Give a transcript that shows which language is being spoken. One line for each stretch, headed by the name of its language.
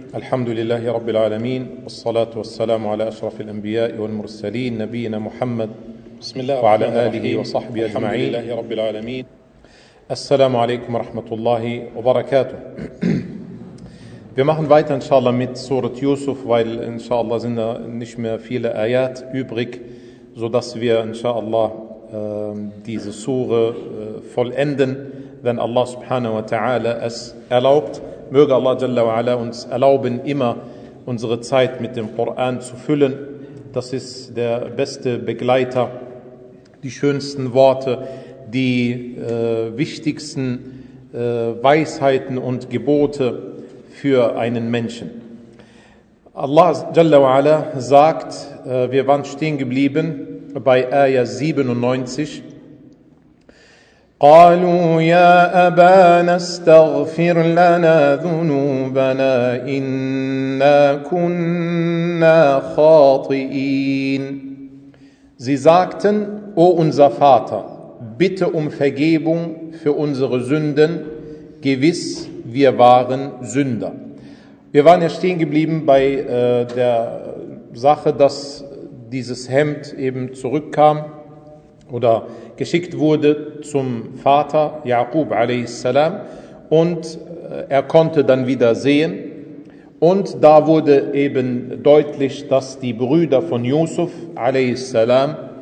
Arabic: الحمد لله رب العالمين، والصلاة والسلام على أشرف الأنبياء والمرسلين نبينا محمد وعلى آله وصحبه أجمعين. الحمد لله رب العالمين. السلام عليكم ورحمة الله وبركاته.
German: Wir machen weiter inshallah mit سورة يوسف, weil inshallah sind nicht mehr viele آيات übrig, sodass wir inshallah diese سورة vollenden, wenn Allah subhanahu wa ta'ala es erlaubt. Möge Allah Jalla wa Ala uns erlauben, immer unsere Zeit mit dem Koran zu füllen. Das ist der beste Begleiter, die schönsten Worte, die wichtigsten Weisheiten und Gebote für einen Menschen. Allah Jalla wa Ala sagt, wir waren stehen geblieben bei Ayah 97.
Arabic: قالوا يا أبانا استغفر لنا ذنوبنا إنا كنا خاطئين.
German: Sie sagten, O unser Vater, bitte um Vergebung für unsere Sünden, gewiss wir waren Sünder. Wir waren ja stehen geblieben bei der Sache, dass dieses Hemd eben zurückkam oder geschickt wurde zum Vater Jakub alayhi salam, und er konnte dann wieder sehen, und da wurde eben deutlich, dass die Brüder von Yusuf alayhi salam